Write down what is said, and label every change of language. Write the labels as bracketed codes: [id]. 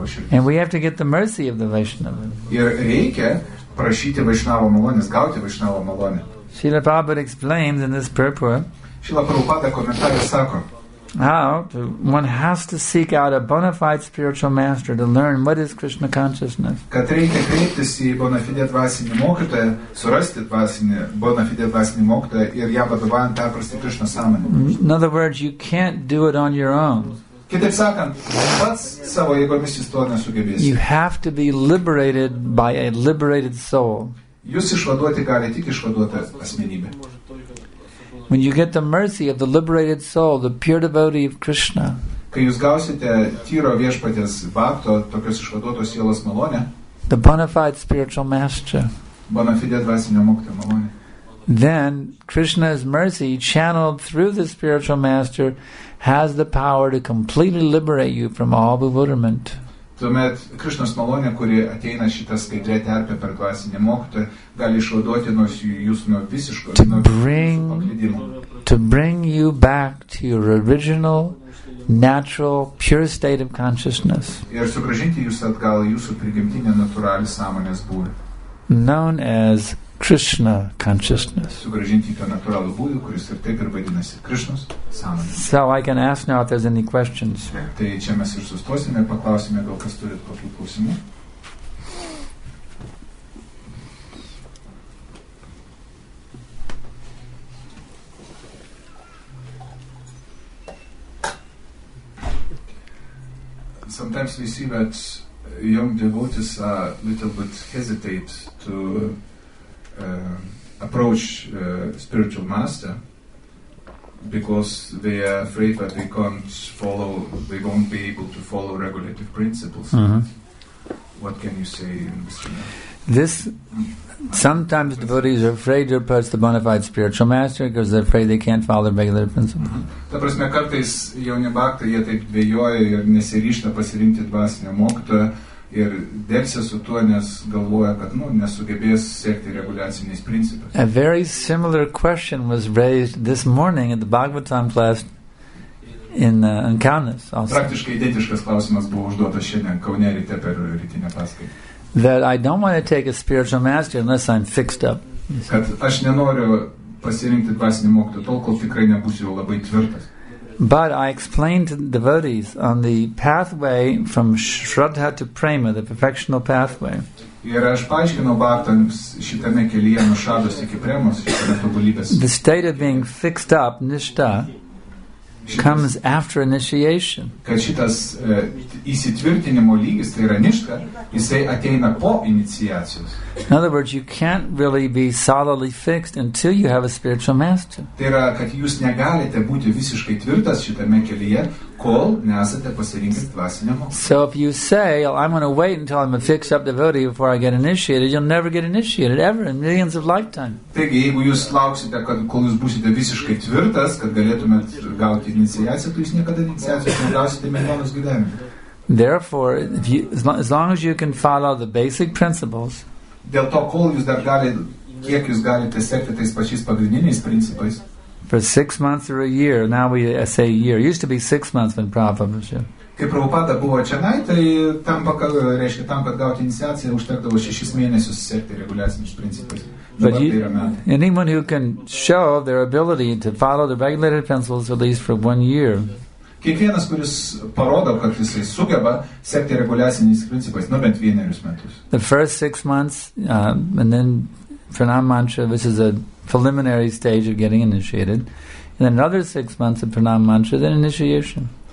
[en] And we have to get the mercy of the Vaishnava. [lt] Ir reikia prašyti Vaishnava malonės, gauti Vaishnava malonę. [en] Srila Prabhupada explains in this purport. [lt] Srila Prabhupada komentare sako. [en] How one has to seek out a bona fide spiritual master to learn what is Krishna consciousness. [lt] Kad reikia kreiptis į bona fide dvasinį mokytoją, surasti dvasinį bona fide dvasinį mokytoją ir ją vadovaujant perprasti Krishna sąmonę. [en] In other words, you can't do it on your own. [lt] Kitaip sakant, pats savo jėgomis jis to nesugebėsi. [en] You have to be liberated by a liberated soul. [lt] Jūs išvaduoti gali tik išvaduota asmenybė. [en] When you get the mercy of the liberated soul, the pure devotee of Krishna, [lt] kai jūs gausite tyro viešpatės bakto, tokios išvaduotos sielos malonę, [en] the bona fide spiritual master, [lt] bona fide dvasinio mokytojo malonę, [en] then Krishna's mercy channeled through the spiritual master has the power to completely liberate you from all bewilderment. [lt] Tuomet Krishnas malonė, kuri ateina šitą skaidrę terpę per dvasinį mokytą, gali išvaduoti jūs nuo visiško paklydimo. [en] To bring you back to your original, natural, pure state of consciousness. [lt] Ir sugrąžinti jūs atgal jūsų prigimtinę natūralią sąmonės būrį. [en] Known as Krishna consciousness. [lt] Sugrąžinti tą natūralų būrį, kuris ir taip ir vadinasi Krishnas sąmonės. [en] So I can ask now if there's any questions. [lt] Tai čia mes ir sustosime, paklausime, gal kas turit kokių klausimų. [en] Sometimes we see that young devotees are a little bit hesitate to approach spiritual master because they are afraid that they can't follow, they won't be able to follow regulative principles. Mm-hmm. What can you say, this sometimes devotees are afraid to approach the bona fide spiritual master because they're afraid they can't follow the regular principle. [lt] Ta prasme, kartais jauni bhaktai jie taip bejoja ir nesiryšta pasirinkti dvasinio mokytojo ir dėlsia su tuo, nes galvoja, kad nesugebės sekti reguliaciniais principais. [en] A very similar question was raised this morning at the Bhagavatam class in Kaunas also. [lt] Praktiškai identiškas klausimas buvo užduotas šiandien Kaune ryte per rytinę paskaitą. [en] That I don't want to take a spiritual master unless I'm fixed up. [lt] Kad aš nenoriu pasirinkti dvasinį mokytoją tol, kol tikrai nebūsiu labai tvirtas. [en] But I explained to the devotees on the pathway from Shraddha to Prema, the perfectional pathway. [lt] Ir aš paaiškinau bhaktams šitame kelyje nuo Shraddhos iki Premos, šitame tobulybės. [en] The state of being fixed up, nishta, comes after initiation. [lt] Kad šitas įsitvirtinimo lygis, tai yra nishta, jisai ateina po iniciacijos. [en] In other words, you can't really be solidly fixed until you have a spiritual master. [lt] Tai yra, kad jūs negalite būti visiškai tvirtas šitame kelyje, kol nesate pasirinkę dvasinio mokytojo. [en] So if you say, well, I'm going to wait until I'm a fixed up devotee before I get initiated, you'll never get initiated ever in millions of lifetime. [lt] Taigi, jeigu jūs lauksite, kad kol jūs būsite visiškai tvirtas, kad galėtumėt gauti iniciaciją, tai jūs niekada iniciacijos negausite milijonus gyvenime. [en] Therefore, if you, as long as you can follow the basic principles, [lt] dėl to, kol jūs dar galite, kiek jūs galite sekti tais pačiais pagrindiniais principais, [en] for 6 months or a year, now we say a year. It used to be 6 months when Prabhupada was here. [lt] Kai Prabhupada buvo čianai, tai tam, reiškia, tam, kad gauti iniciaciją, užtekdavo 6 mėnesius sekti reguliaciniais principais. [en] But anyone who can show their ability to follow the regulated principles at least for 1 year. [lt] Kiekvienas, kuris parodo, kad jisai sugeba sekti reguliaciniais principais, nu bent 1 metus. [en] The first 6 months, and then pranam mantra, this is a preliminary stage of getting initiated, and then another 6 months of pranam mantra, then initiation.